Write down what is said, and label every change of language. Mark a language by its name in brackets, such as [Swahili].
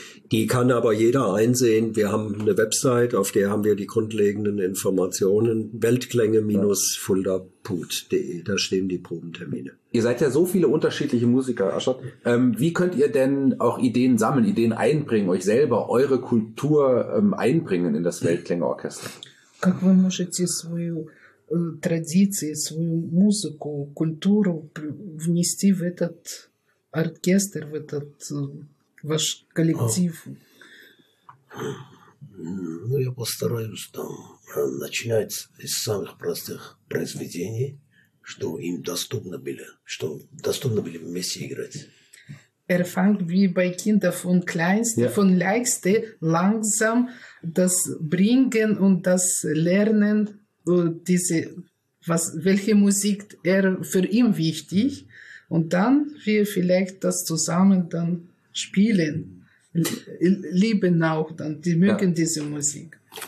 [German] Die kann aber jeder einsehen. Wir haben eine Website, auf der haben wir die grundlegenden Informationen. Weltklänge-fulda.de. Da stehen die Probentermine. Ihr seid ja so viele unterschiedliche Musiker, Aschott. Wie könnt ihr denn auch Ideen sammeln, Ideen einbringen, euch selber, eure Kultur einbringen in das Weltklänge-Orchester? [Russian] Как вы можете свою традиции, свою музыку, культуру внести в этот оркестр, в этот ваш коллектив? Я постараюсь там начинать из самых простых произведений, что им доступно было, что доступно было вместе играть. [German] Fängt wie bei Kindern von Kleinste, von Leichtste, langsam das Bringen und das Lernen, welche Musik für ihn wichtig, und dann wir vielleicht das zusammen dann spielen, lieben auch dann, die mögen diese Musik.